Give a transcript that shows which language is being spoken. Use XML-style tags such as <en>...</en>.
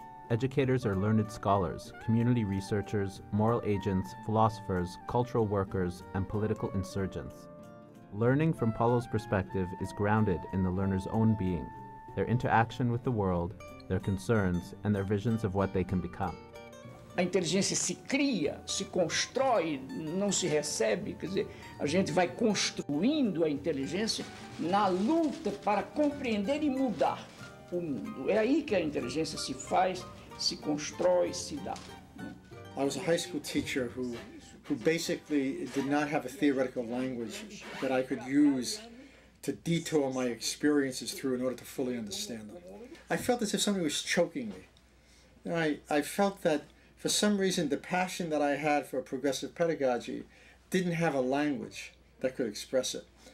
<en>Educators are learned scholars, community researchers, moral agents, philosophers, cultural workers, and political insurgents. Learning from Paulo's perspective is grounded in the learner's own being, their interaction with the world, their concerns, and their visions of what they can become.</en> <pt>A inteligência se cria, se constrói, não se recebe. Quer dizer, a gente vai construindo a inteligência na luta para compreender e mudar o mundo. É aí que a inteligência se faz, se constrói, se dá.</pt> <en>I was a high school teacher who basically did not have a theoretical language that I could use to detour my experiences through in order to fully understand them. I felt as if something was choking me. I felt that for some reason the passion that I had for progressive pedagogy didn't have a language that could express it.</en>